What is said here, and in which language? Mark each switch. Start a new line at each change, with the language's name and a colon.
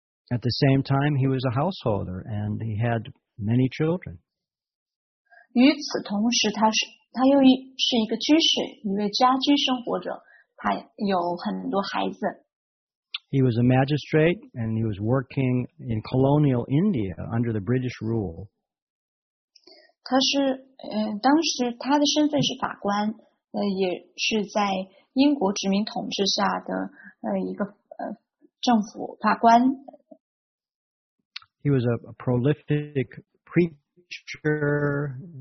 English: At the same time, he was a householder and he had many children.
Chinese: 与此同时，他又是一个居士，一位家居生活者，他有很多孩子。
English: He was a magistrate, and he was working in colonial India under the British rule.
Chinese: 他是，当时他的身份是法官，也是在英国殖民统治下的一个政府法官。
English: He was a prolific preacher.